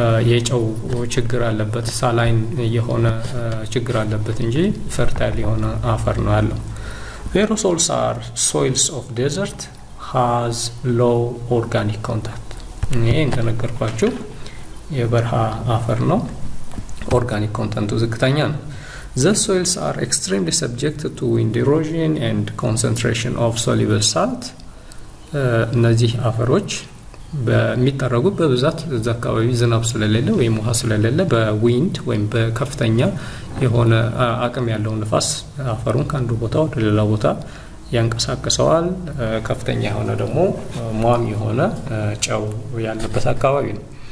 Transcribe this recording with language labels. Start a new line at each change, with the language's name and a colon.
Amharic: የጨው ችግር አለበት፣ ሳላይን የሆነ ችግር አለበት እንጂ ፈርታይል የሆነ አፈር ነው ያለው።
English: Aerosols are soils of desert. has low organic content.
Amharic: እንደነገርኳችሁ የበርሃ አፈር ነው organic content ዝቅተኛ ነው.
English: The soils are extremely subject to wind erosion and concentration of soluble salt.
Amharic: እነዚህ አፈሮች በሚጠረጉ በብዛት ዘካባቢ ዝናብ ስለሌለ ወይም ውሃ ስለሌለ በዊንድ ወይም በከፍተኛ የሆነ አቅም ያለው ንፋስ አፈሩን ካንዱ ቦታ ወደ ሌላ ቦታ ያንቀሳቅሰዋል። ከፍተኛ የሆነ ደግሞ ሟሚ የሆነ ጨው ያለበት አካባቢ ነው።